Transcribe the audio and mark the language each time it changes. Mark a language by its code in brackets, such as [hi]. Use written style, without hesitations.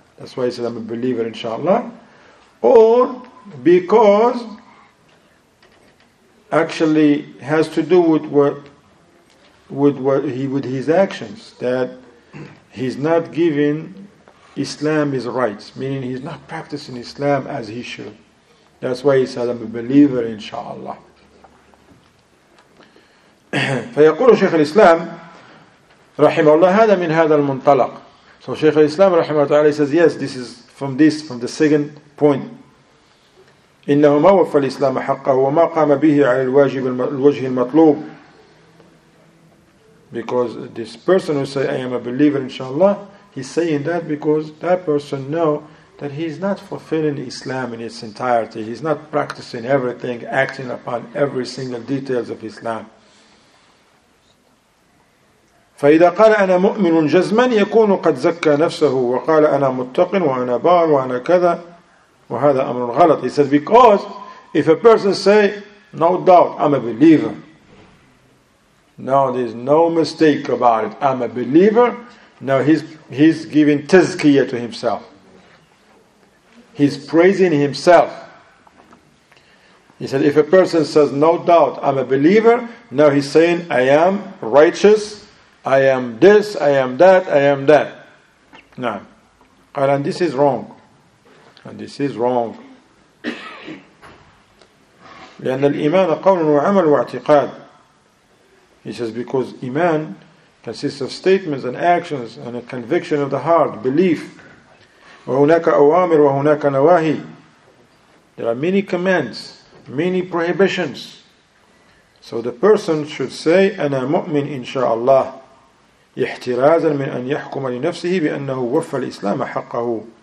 [en] That's why he said, I'm a believer, inshallah. Or because actually has to do with his actions, that he's not giving Islam is right, meaning he's not practicing Islam as he should. That's why he said, I'm a believer, inshallah. [ar] فيقول شيخ الإسلام رحمه الله هذا من هذا المنطلق. [en] So [ar] شيخ الإسلام رحمه الله تعالى [en] says, yes, this is from the second point. [ar] إنه ما وفى الإسلام حقه وما قام به على الواجب الوجه المطلوب. [en] Because this person who says, I am a believer, inshallah, he's saying that because that person knows that he's not fulfilling Islam in its entirety. He's not practicing everything, acting upon every single details of Islam. [ar] فَإِذَا قَالَ أَنَا مُؤْمِنٌ جَزْمًا يَكُونُ قَدْ زَكَّى نَفْسَهُ وَقَالَ أَنَا مُتَّقٍ وَأَنَا بَارٌ وَأَنَا كَذَا وَهَذَا أَمْرٌ غَلَطٌ. [en] He says, because if a person say, no doubt, I'm a believer. Now there's no mistake about it. I'm a believer. Now he's giving tazkiyah to himself. He's praising himself. He said, if a person says, no doubt, I'm a believer, now he's saying, I am righteous, I am this, I am that, I am that. Now, and this is wrong. And this is wrong. [ar] لأن الإيمان قول وعمل واعتقاد. [en] He says because iman consists of statements and actions and a conviction of the heart, belief. [ar] وهناك أوامر وهناك نواهي. [en] There are many commands, many prohibitions. So the person should say, [ar] أنا مؤمن إن شاء الله. احترازا من أن يحكم لنفسه بأنه وفى الإسلام حقه.